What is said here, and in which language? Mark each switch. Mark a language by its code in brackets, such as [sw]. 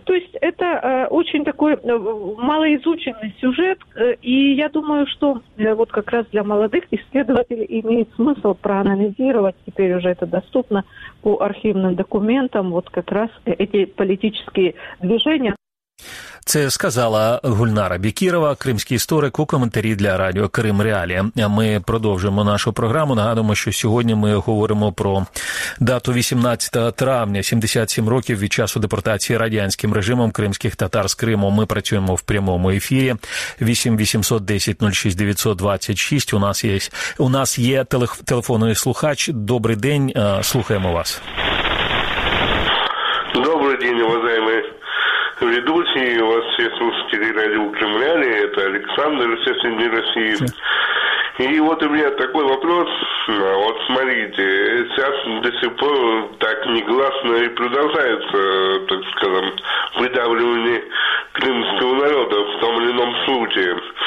[ru] То есть это очень такой малоизученный сюжет. И я думаю, что вот как раз для молодых исследователей имеет смысл проанализировать, теперь уже это доступно по архивным документам, вот как раз эти политические движения. [uk] Це сказала Гульнара Бікірова, кримський історик у коментарі для радіо «Крим Реалія». Ми продовжуємо нашу програму. Нагадуємо, що сьогодні ми говоримо про дату 18 травня, 77 років від часу депортації радянським режимом кримських татар з Криму. Ми працюємо в прямому ефірі. 8-800-10-06-926. У нас є телефонний слухач. Добрий день, слухаємо вас. Добрий день, [ru] уважаемые ведущий, у вас все слушатели радио «Крым Реалия», это Александр из СНГ России. И вот у меня такой вопрос, вот смотрите, сейчас до сих пор так негласно и продолжается, так скажем, выдавливание крымского народа в том или ином случае.